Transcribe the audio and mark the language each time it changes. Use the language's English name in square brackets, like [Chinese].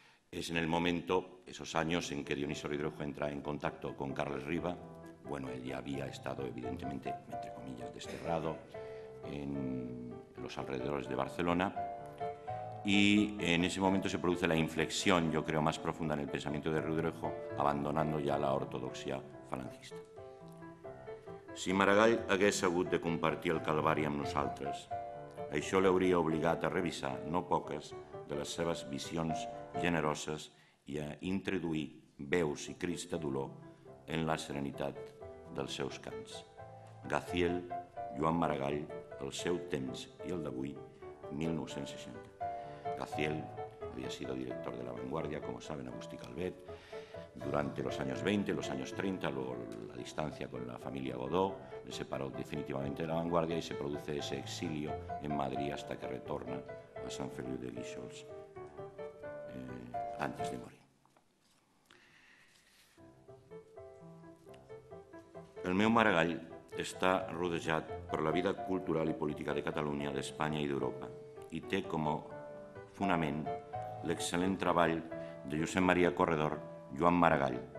[Spanish] Es en el momento, esos años en que Dionisio Ridruejo entra en contacto con Carles Riba, bueno, él ya había estado evidentemente, entre comillas, desterrado en los alrededores de Barcelona, y en ese momento se produce la inflexión, yo creo, más profunda en el pensamiento de Ridruejo, abandonando ya la ortodoxia falangista. [Catalan] Si Maragall hagués hagut de compartir el calvari amb nosaltres, això l'hauria obligat a revisar no poques de les seves visions generoses i a introduir veus i crits de dolor en la serenitat dels seus cants. Gaziel, Joan Maragall, el seu temps i el d'avui, 1960. [Spanish] Gaziel havia sido director de La Vanguardia, como saben, Agustí Calvet, durante los años 20, los años 30, luego la distancia con la familia Godó le separó definitivamente de La Vanguardia y se produce ese exilio en Madrid hasta que retorna a San Feliu de Guíxols antes de morir. [Catalan] El meu Maragall està rodejat per la vida cultural i política de Catalunya, d'Espanya i d'Europa i té com a fonament l'excel·lent treball de Josep Maria Corredor, Joan Maragall,